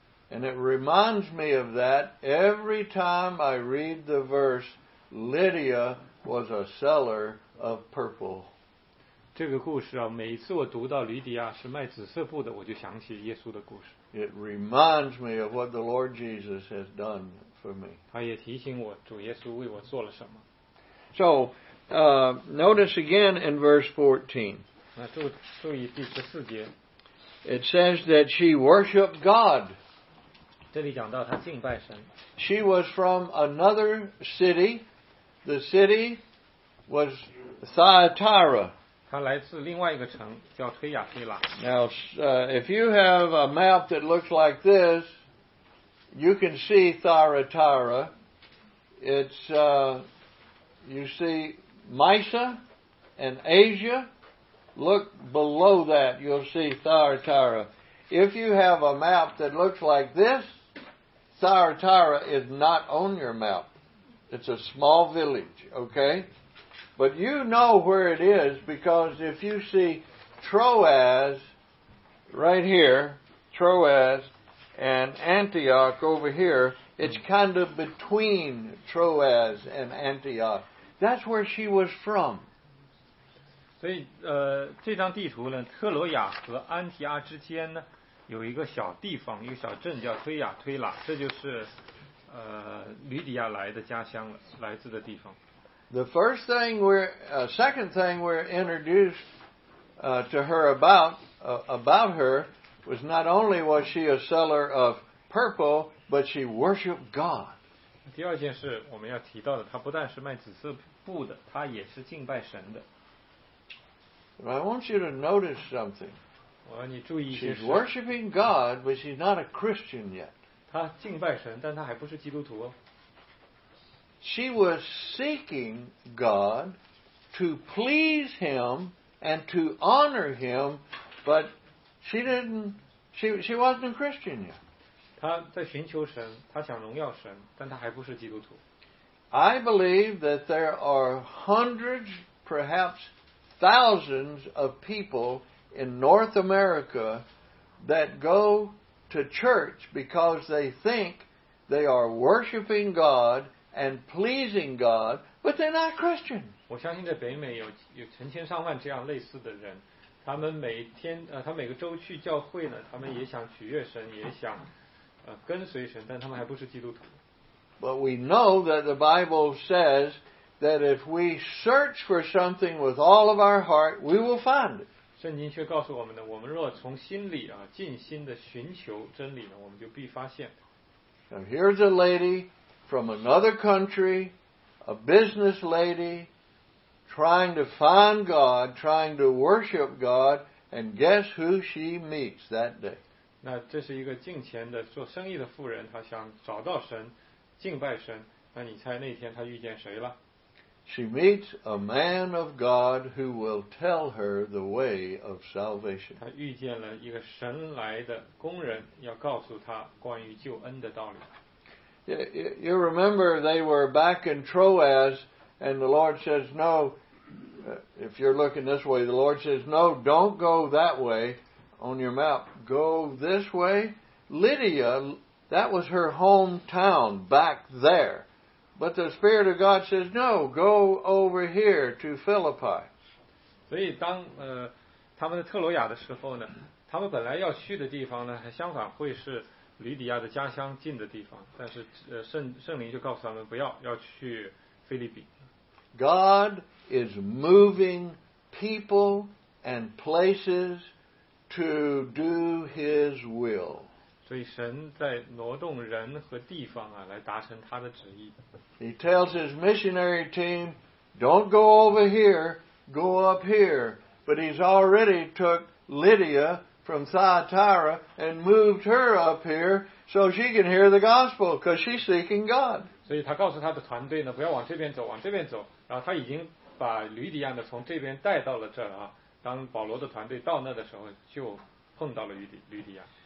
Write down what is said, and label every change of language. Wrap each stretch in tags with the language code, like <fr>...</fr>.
<en>And it reminds me of that every time I read the verse, Lydia was a seller of purple.</en> <zh>这个故事啊，每次我读到吕底亚是卖紫色布的，我就想起耶稣的故事。</zh> <en>It reminds me of what the Lord Jesus has done for me.</en> <zh>他也提醒我，主耶稣为我做了什么。</zh> <en>So, notice again in verse 14.</en> <zh>那注意第十四节。</zh> <en>It says that she worshipped God.</en> <zh>这里讲到她敬拜神。</zh> <en>She was from another city. The city was Thyatira.</en> <zh>他来自另外一个城，叫推雅推拉。</zh> <en>Now, if you have a map that looks like this, you can see Thyatira. It's, you see Mysa and Asia. Look below that, you'll see Thyatira. If you have a map that looks like this, Thyatira is not on your map. It's a small village, okay? But you know where it is because if you see Troas right here, Troas and Antioch over here, it's kind of between Troas and Antioch. That's where she was from.</en> <zh>所以这张地图呢，特罗亚和安提阿之间呢，有一个小地方，一个小镇叫推亚推拉，这就是吕底亚来的家乡了，来自的地方。</zh> <en>The first thing we're, second thing we're introduced to her about her was not only was she a seller of purple, but she worshipped God.</en> <zh>第二件事我们要提到的，她不但是卖紫色布的，她也是敬拜神的。</zh> <en>I want you to notice something.</en> <zh>我让你注意一些事。</zh> <en>She's worshipping God, but she's not a Christian yet.</en> <zh>她敬拜神，但她还不是基督徒哦。</zh> <en>She was seeking God to please Him and to honor Him, but she wasn't a Christian yet.</en> <zh>她在寻求神，她想荣耀神，但她还不是基督徒。</zh> <en>I believe that there are hundreds, perhaps thousands of people in North America that go to church because they think they are worshiping God. And pleasing God, but they're not Christians.</en> <zh>我相信在北美有成千上万这样类似的人，他们每天他每个周去教会呢，他们也想取悦神，也想跟随神，但他们还不是基督徒。</zh> <en>But we know that the Bible says that if we search for something with all of our heart, we will find it.</en> <zh>圣经却告诉我们呢，我们若从心里尽心的寻求真理呢，我们就必发现。</zh> <en>Now here's a lady. From another country, a business lady trying to find God, trying to worship God, and guess who she meets that day?</en> <zh>那这是一个敬虔的做生意的妇人，她想找到神，敬拜神。那你猜那天她遇见谁了？</zh> <en>She meets a man of God who will tell her the way of salvation.</en> <zh>她遇见了一个神来的工人，要告诉她关于救恩的道理。</zh> <en>You remember they were back in Troas, and the Lord says, no, if you're looking this way, the Lord says, no, don't go that way on your map. Go this way. Lydia, that was her hometown back there. But the Spirit of God says, no, go over here to Philippi.</en> <zh>所以当他们在特罗亚的时候呢，他们本来要去的地方呢，相反会是吕底亚的家乡近的地方，但是圣灵就告诉他们不要，要去腓立比。</zh> <en>God is moving people and places to do His will.</en> <zh>所以神在挪动人和地方啊，来达成他的旨意。</zh> <en>He tells his missionary team, "Don't go over here, go up here." But he's already took Lydia. From Thyatira and moved her up here so she can hear the gospel because she's seeking God.</en> <zh>所以他告诉他的团队呢，不要往这边走，往这边走。然后他已经把吕底亚呢从这边带到了这儿啊。当保罗的团队到那的时候，就碰到了吕底亚。</zh>